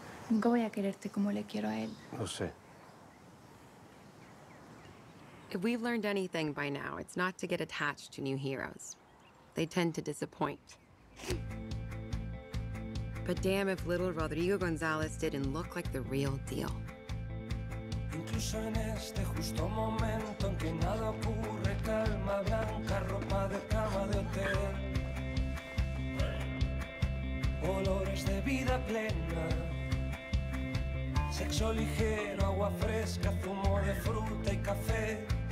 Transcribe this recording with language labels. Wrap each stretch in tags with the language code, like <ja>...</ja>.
<es>Nunca voy a quererte como le quiero a él. Lo sé.</es> <en>If we've learned anything by now, it's not to get attached to new heroes. They tend to disappoint. But damn if little Rodrigo Gonzalez didn't look like the real deal.</en> <es>Incluso en este justo momento en que nada ocurre, calma blanca, ropa de cama de hotel. Olores de vida plena. Sexo ligero, agua fresca, zumo de fruta y café.</es>